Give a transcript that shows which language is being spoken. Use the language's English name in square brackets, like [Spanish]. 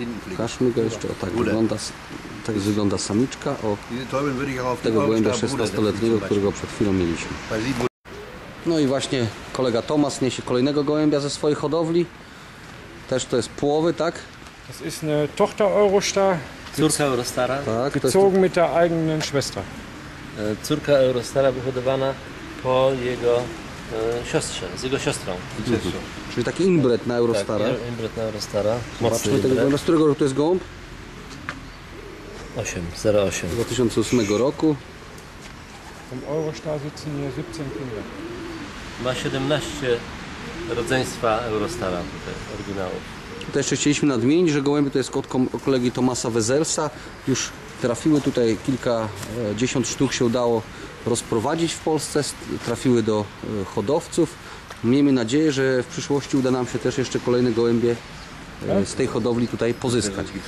[Polish] Pokażmy go jeszcze, o tak Bude. Wygląda, tak wygląda samiczka, o tego gołębia 16-letniego, którego przed chwilą mieliśmy. No i właśnie kolega Tomas niesie kolejnego gołębia ze swojej hodowli, też to jest połowy, tak? To jest [German] Tochter [Polish] Eurostar, córka Eurostara, [German] tak, gezogen mit der eigenen Schwester. [Polish] Córka Eurostara wyhodowana po jego siostrze, z jego siostrą. Czyli taki imbret na Eurostara. Tak, imbret na Eurostara. Zobaczmy tego gołębia. Z którego roku to jest gołąb? [German] 08. [Polish] 2008 roku. [German] W Eurostar sitzen hier 17 Kinder. [Polish] Ma 17 rodzeństwa Eurostara tutaj, oryginałów. To jeszcze chcieliśmy nadmienić, że gołębie to jest kotką kolegi Tomasa Wezelsa. Już trafiły tutaj kilkadziesiąt sztuk się udało rozprowadzić w Polsce. Trafiły do hodowców. Miejmy nadzieję, że w przyszłości uda nam się też jeszcze kolejne gołębie z tej hodowli tutaj pozyskać.